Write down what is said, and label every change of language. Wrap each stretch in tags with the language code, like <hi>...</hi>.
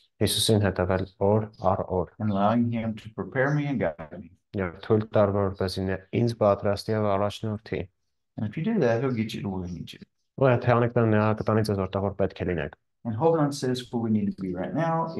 <hy>Հիսուսին հետևել օր առ օր։</hy> <en>And allowing him to prepare me and guide me.</en> <hy>Եվ թույլ տալ որ ինձ պատրաստի եւ առաջնորդի։</hy> <en>And if you do that, he'll get you to where you need to.</en> <hy>Ու եթե անեք դա նա կտանի ձեզ որտեղ որ պետք է լինեք։</hy> <en>And hold on says what we need to be right now is</en>